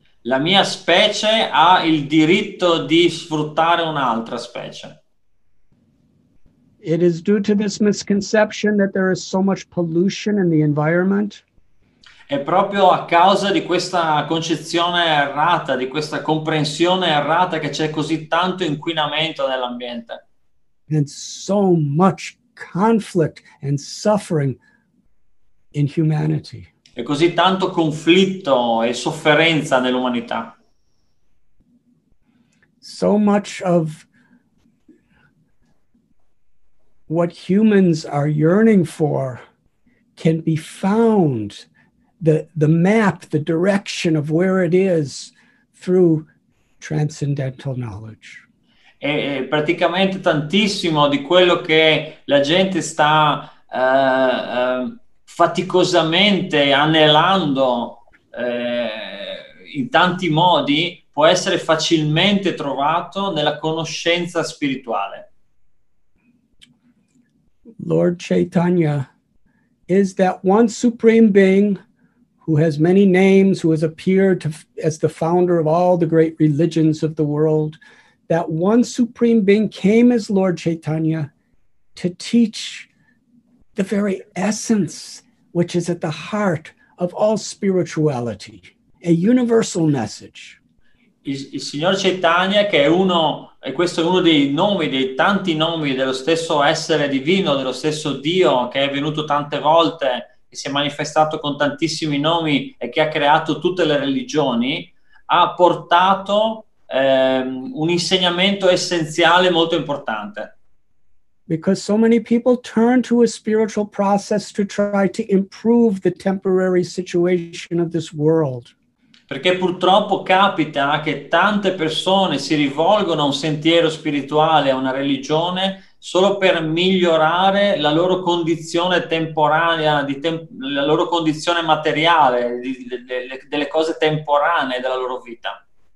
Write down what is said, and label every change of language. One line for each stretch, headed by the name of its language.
Italian: La mia specie ha il diritto di sfruttare un'altra specie.
English: It is due to this misconception that there is so much pollution in the environment.
Italian: È proprio a causa di questa concezione errata, di questa comprensione errata che c'è così tanto inquinamento nell'ambiente.
English: And so much conflict and suffering in humanity.
Italian: E così tanto conflitto e sofferenza nell'umanità.
English: So much of what humans are yearning for can be found, the map, the direction of where it is through transcendental knowledge.
Italian: E praticamente tantissimo di quello che la gente sta faticosamente anelando in tanti modi può essere facilmente trovato nella conoscenza spirituale.
English: Lord Chaitanya is that one supreme being who has many names, who has appeared as the founder of all the great religions of the world. That one supreme being came as Lord Chaitanya to teach the very essence which is at the heart of all spirituality, a universal message.
Italian: Il signor Chaitanya, che è uno, e questo è uno dei nomi, dei tanti nomi dello stesso essere divino, dello stesso Dio, che è venuto tante volte, che si è manifestato con tantissimi nomi e che ha creato tutte le religioni, ha portato un insegnamento essenziale molto importante.
English: Because so many people turn to a spiritual process to try to improve the temporary situation of this world.
Italian: Perché purtroppo capita che tante persone si rivolgono a un sentiero spirituale, a una religione, solo per migliorare la loro condizione temporanea, la loro condizione materiale, delle cose temporanee della loro vita.